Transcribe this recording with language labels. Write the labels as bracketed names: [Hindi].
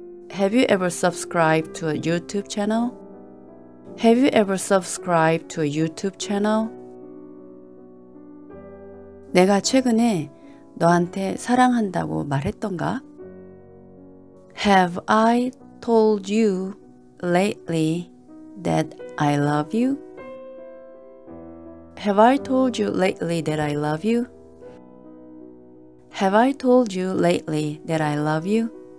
[English] Have you ever subscribed to a YouTube channel? Have you ever subscribed to a YouTube channel? [Korean] 내가 최근에 너한테 사랑한다고 말했던가? [English] Have I told you lately that I love you? Have I told you lately that I love you? Have I told you lately that I love you?